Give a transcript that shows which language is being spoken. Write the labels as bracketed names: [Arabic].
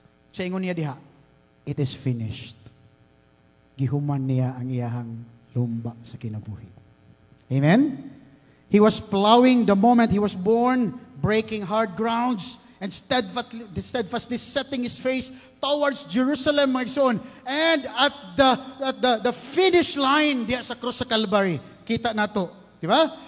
[Cebuano] Saingon niya diha, [English] it is finished. [Cebuano] Gihuman niya ang iyahang lumba sa kinabuhi. Amen? [English] He was plowing the moment he was born, breaking hard grounds, and steadfastly setting his face towards Jerusalem, my son. And at the finish line, [Cebuano] diya sa cross sa Calvary, kita na to. Diba?